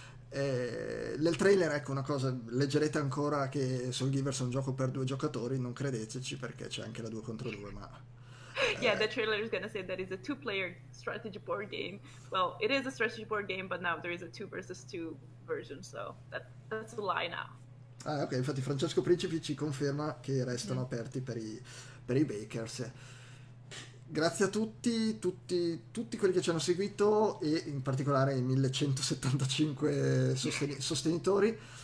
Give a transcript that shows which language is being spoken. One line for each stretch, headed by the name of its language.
Italian: Nel trailer, ecco una cosa: leggerete ancora che Soul Giver è un gioco per due giocatori. Non credeteci perché c'è anche la 2 contro 2, ma.
English: Yeah, the trailer is gonna say that it's a two-player strategy board game. Well, it is a strategy board game, but now there is a two versus two version, so that's a lie now.
Italian: Ah, ok, infatti, Francesco Principi ci conferma che restano aperti per i Bakers. Grazie a tutti quelli che ci hanno seguito e in particolare ai 1175 sostenitori.